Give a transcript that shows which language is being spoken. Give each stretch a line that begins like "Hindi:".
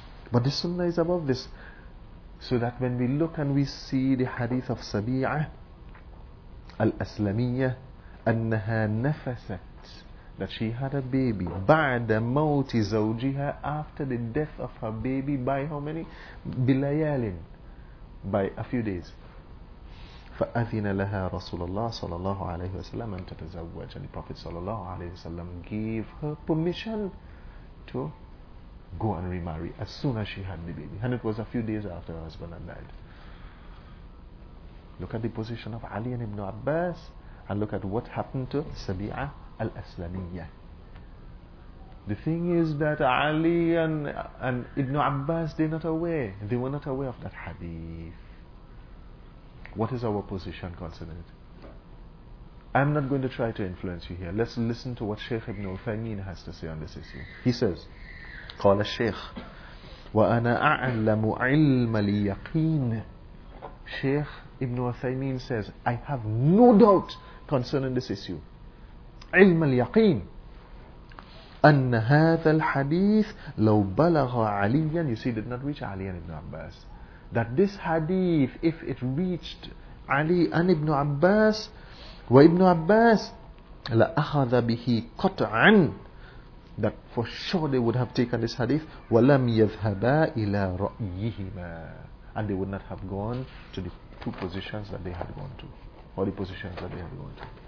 English: But the sunnah is above this. So that when we look and we see the hadith of Sabi'ah al-Aslamiyyah,
Arabic: annaha nafasat,
English: that she had a baby,
Arabic: ba'da mawti zawjiha,
English: after the death of her baby, by how many? Bilayalin, by a few days.
Arabic: فَأَذِنَ لَهَا رَسُولَ اللَّهِ صَلَى اللَّهُ عَلَيْهِ وَسَلَّمَ أَنْ تَتَزَوَّجَ,
English: and the Prophet ﷺ gave her permission to go and remarry as soon as she had the baby. And it was a few days after her husband had died. Look at the position of Ali and Ibn Abbas, and look at what happened to Sabi'ah al-Aslamiyyah. The thing is that Ali and Ibn Abbas, they're not aware. They were not aware of that hadith. What is our position concerning it? I'm not going to try to influence you here. Let's listen to what Shaykh Ibn Uthaymeen has to say on this issue. He says,
Arabic: قال الشيخ وأنا أعلم علم اليقين.
English: Shaykh Ibn Uthaymeen says, I have no doubt concerning this issue.
Arabic: علم اليقين أن هذا الحديث لو بلغ عليا.
English: You see, did not reach Ali and Ibn Abbas. That this hadith, if it reached Ali and Ibn Abbas,
Arabic: وابن عباس لأخذ به قطعا,
English: that for sure they would have taken this hadith,
Arabic: ولم يذهبا إلى رأيهما,
English: and they would not have gone to the two positions that they had gone to, or the positions that they had gone to.